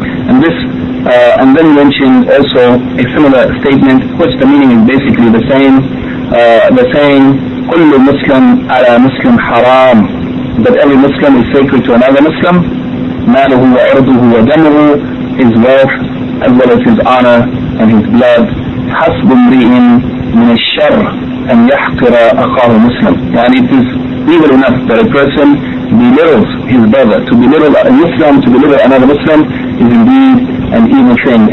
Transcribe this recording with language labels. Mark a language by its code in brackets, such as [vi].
[en] And this and then mentioned also a similar statement, which the meaning is basically the same, the saying [ar] كُلُّ مُسْلَمْ عَلَى مُسْلِمْ حَرَامُ. [en] That every Muslim is sacred to another Muslim. [ar] مَالُهُ وَعِرْضُهُ وَدَمُهُ. [en] His wealth, as well as his honor and his blood. [ar] حَسْبُ مْرِئٍ مِنَ الشَّرِّ أَنْ يَحْقِرَ أَخَاهُ مُسْلِمٌ. [en] And it is evil enough that a person belittles his brother. To belittle a Muslim, to belittle another Muslim, is indeed an evil thing.